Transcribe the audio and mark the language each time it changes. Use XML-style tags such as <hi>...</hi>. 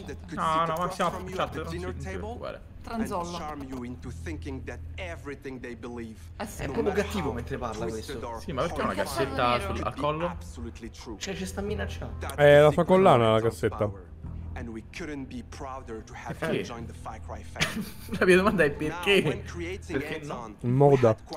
<it>No, ma siamo affacciati dal</it> <en>dinner table. Tranzollo. Charm you into thinking that everything they believe.</en> <it>È proprio cattivo mentre parla questo. Sì, ma perché una cassetta al collo? Cioè c'è sta minacciando. È la sua collana la cassetta.</it> <en>And we couldn't be prouder to have him join the Far Cry family.</en> <it>La mia domanda è perché? Perché no? Moda.</it>